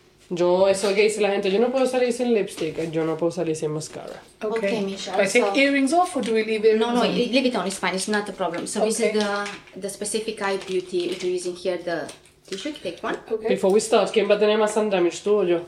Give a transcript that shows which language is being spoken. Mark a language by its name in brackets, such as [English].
[Spanish] Yo, eso que dice la gente, yo no puedo salir sin lipstick, yo no puedo salir sin mascara. [English] Okay, Michelle. Do I take earrings off or do we leave it? No, leave it on, it's fine, it's not a problem. So okay. This is the specific eye beauty which we're using here, the tissue, take one. Okay. Before we start, [Spanish] ¿quién va a tener más sun damage, tú o yo?